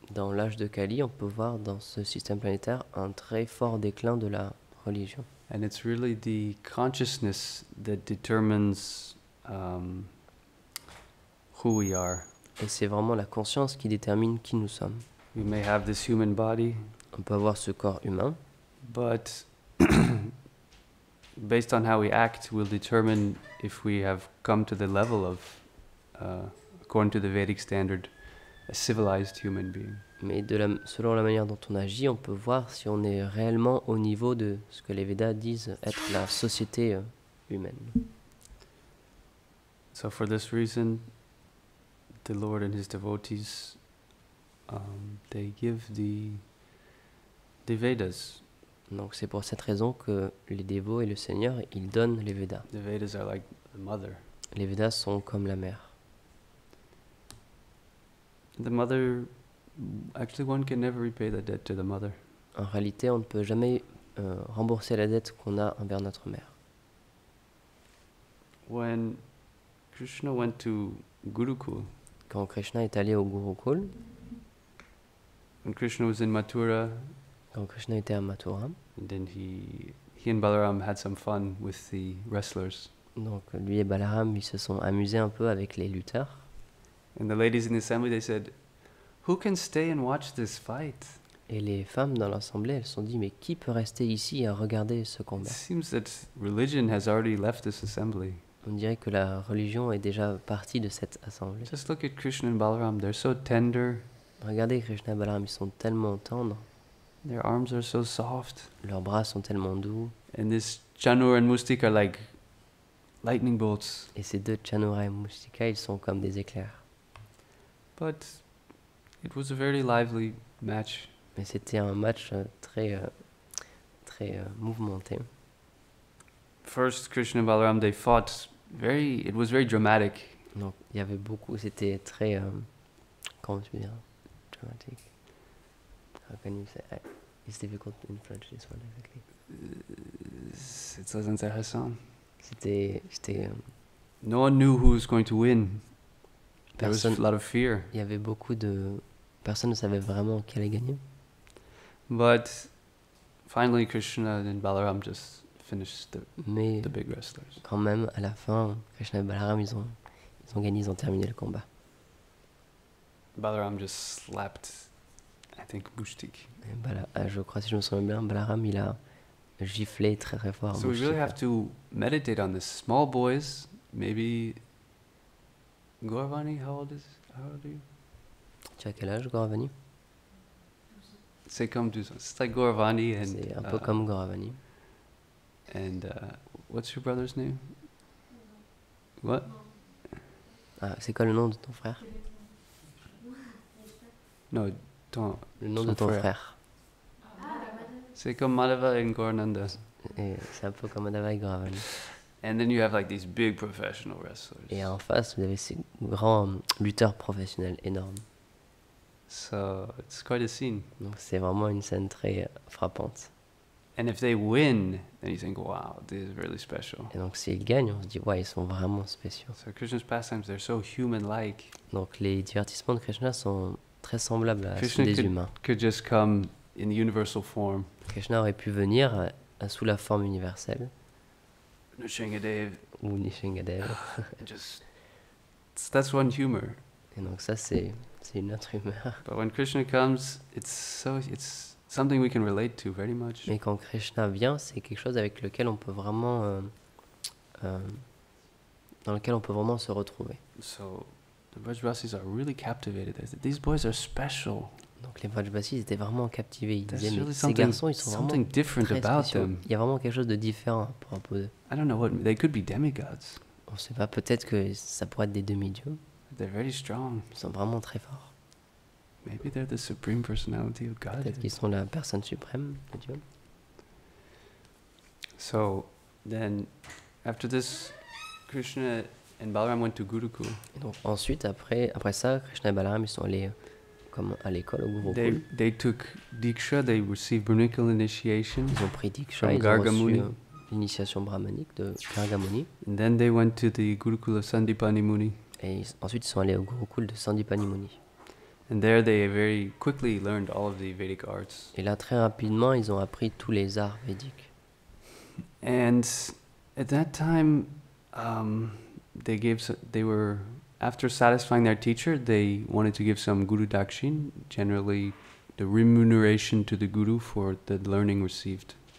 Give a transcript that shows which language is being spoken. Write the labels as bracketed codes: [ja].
[fr] Dans l'âge de Kali, on peut voir dans ce système planétaire un très fort déclin de la religion. [en] And it's really the consciousness that determines who we are. [fr] Et c'est vraiment la conscience qui détermine qui nous sommes. [en] We may have this human body. [fr] On peut avoir ce corps humain. [en] But based on how we act, we'll determine if we have come to the level of, according to the Vedic standard, a civilized human being. [fr] Mais selon la manière dont on agit, on peut voir si on est réellement au niveau de ce que les Védas disent être la société humaine. [en] So for this reason, the Lord and his devotees, they give the Vedas. [fr] Donc c'est pour cette raison que les dévots et le Seigneur, ils donnent les Védas. [en] The Vedas are like the mother. Les Védas sont comme la mère. The mother. Actually, one can never repay the debt to the mother. [fr] En réalité, on ne peut jamais rembourser la dette qu'on a envers notre mère. [en] When Krishna went to Gurukul, [fr] quand Krishna est allé au Gurukul, [en] when Krishna was in Mathura, [fr] quand Krishna était à Mathura, [en] and then he and Balaram had some fun with the wrestlers. [fr] Donc lui et Balaram, ils se sont amusés un peu avec les lutteurs. [en] And the ladies in the assembly, they said. Who can stay and watch this fight? [fr] Et les femmes dans l'assemblée, elles se sont dit, mais qui peut rester ici à regarder ce combat? [en] It seems that religion has already left this assembly. [fr] On dirait que la religion est déjà partie de cette assemblée. [en] Just look at Krishna and Balaram, they're so tender. [fr] Regardez Krishna et Balaram, ils sont tellement tendres. [en] Their arms are so soft. [fr] Leurs bras sont tellement doux. [en] And this Chanur and Mustika are like lightning bolts. [fr] Et ces deux Chanura et Mustika, ils sont comme des éclairs. [en] But it was a very lively match. [fr] Mais c'était un match très mouvementé. [en] First, Krishna and Balaram, they fought very. It was very dramatic. [fr] Donc, il y avait beaucoup. C'était très comme tu veux dire, dramatique. [en] How can you say? It's difficult in French, this one, exactly. [fr] C'est très intéressant. C'était. [en] No one knew who was going to win. There was a lot of fear. [fr] Il y avait beaucoup de. Personne ne savait vraiment qui allait gagner. [en] But finally, Krishna and Balaram just finished the big wrestlers. [fr] Quand même, à la fin, Krishna et Balaram, ils ont gagné, ils ont terminé le combat. [en] Balaram just slapped, I think, Mushtiq. [fr] Je crois, si je me souviens bien, Balaram, il a giflé très très fort. [en] So we really have to meditate on the small boys. Maybe Gauravani, how old are you? [fr] Tu as quel âge, Gauravani? C'est comme deux ans. C'est like Gauravani. C'est un peu comme Gauravani. [en] And what's your brother's name? What? [fr] Ah, c'est quoi le nom de ton frère? Non, ton. Le nom de ton frère. C'est comme Madhava et Gaurananda. C'est un peu comme Madhava et Gauravani. [en] And then you have like these big professional wrestlers. [fr] Et en face, vous avez ces grands lutteurs professionnels énormes. [en] So it's quite a scene. [fr] Donc c'est vraiment une scène très frappante. [en] And if they win, then you think, wow, this is really special. [fr] Et donc s'ils gagnent, on se dit, wow, ils sont vraiment spéciaux. [en] So Krishna's pastimes, they're so human-like. [fr] Donc les divertissements de Krishna sont très semblables à ceux des humains. [en] Krishna could just come in the universal form. [fr] Krishna aurait pu venir sous la forme universelle. [en] Nishingadev. [fr] Ou Nishingadev. [en] Just, that's one humor. [fr] Et donc ça c'est une autre humeur. [en] But when Krishna comes, it's something we can relate to very much. [fr] Mais quand Krishna vient, c'est quelque chose avec lequel on peut vraiment dans lequel on peut vraiment se retrouver. [en] So the Vajrasis are really captivated. These boys are special. [fr] Donc les Vajrasis étaient vraiment captivés. Ils disaient, really ces garçons, ils sont vraiment très spéciaux. Them. Il y a vraiment quelque chose de différent à propos d'eux. [en] I don't know what they could be demigods. [fr] On ne sait pas. Peut-être que ça pourrait être des demi-dieux. [en] They're very strong. [fr] Ils sont vraiment très forts. [en] Maybe they're the supreme personality of God. [fr] Peut-être qu'ils sont la personne suprême de Dieu. [en] So then, after this, Krishna and Balaram went to Gurukul. [fr] Donc ensuite, après ça, Krishna et Balaram, ils sont allés comme à l'école au Gurukul. [en] They took diksha. They received brahminical initiation. [fr] Ils ont pris diksha. Ils ont Gargamuni. Reçu l'initiation brahmanique de Gargamuni. [en] And then they went to the Gurukul of Sandipani Muni. [fr] Et ensuite, ils sont allés au Gurukul de Sandipani Muni. [en] And there they very quickly learned all of the Vedic arts. [fr] Et là, très rapidement, ils ont appris tous les arts védiques. [en] And at that time, they were after satisfying their teacher, they wanted to give some guru dakshin, generally the remuneration to the guru for the learning received.